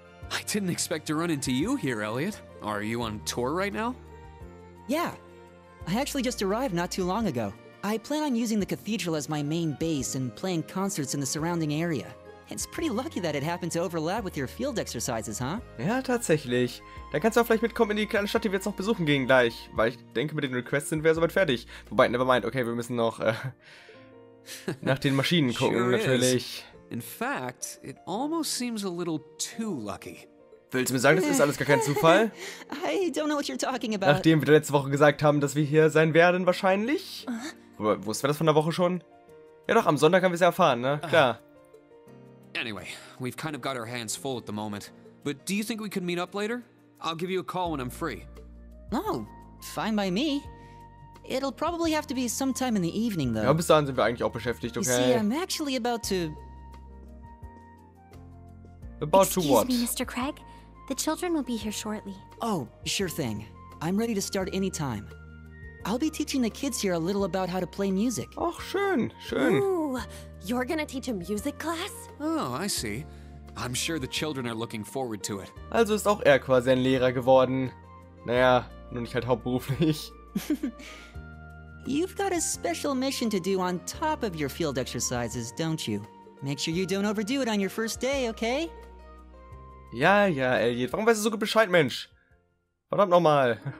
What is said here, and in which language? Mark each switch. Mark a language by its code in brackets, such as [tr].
[en] I didn't expect to run into you here, Elliot. Are you on tour right now? Yeah. I actually just arrived not too long ago. I plan on using the cathedral as my main base and playing concerts in the surrounding area. It's pretty lucky that it happened to overlap with your field exercises, huh? [de] Ja, tatsächlich. Dann kannst du auch vielleicht mitkommen in die kleine Stadt, die wir jetzt noch besuchen gehen gleich. Weil ich denke, mit den Requests sind wir soweit fertig. Wobei, [en] never mind. [de] Okay, wir müssen noch... nach den Maschinen gucken, [en] sure [de] natürlich. [en] Is. In fact, it almost seems a little too lucky. [de] Willst du mir sagen, das ist alles gar kein Zufall? [en] I don't know what you're talking about. [de] Nachdem wir letzte Woche gesagt haben, dass wir hier sein werden, wahrscheinlich? Wussten wir das von der Woche schon? Ja doch, am Sonntag haben wir es ja erfahren, ne? Klar. [en] Anyway, we've kind of got our hands full at the moment. But do you think we could meet up later? I'll give you a call when I'm free. Oh, fine by me. It'll probably have to be sometime in the evening, though. [de] Ja, bis dahin sind wir eigentlich auch beschäftigt, okay? [en] You see, I'm actually about to... About to what? Excuse me, Mr. Craig. The children will be here shortly. Oh, sure thing. I'm ready to start any time. I'll be teaching the kids here a little about how to play music. [de] Ach, schön, schön. [en] Ooh, you're gonna teach a music class? Oh, I see. I'm sure the children are looking forward to it. [de] Also ist auch er quasi ein Lehrer geworden. Naja, nur nicht halt hauptberuflich. [en] You've got a special mission to do on top of your field exercises, don't you? Make sure you don't overdo it on your first day, okay? [de] Ja, ja, Elliot. Warum weißt du so gut Bescheid, Mensch? Verdammt nochmal.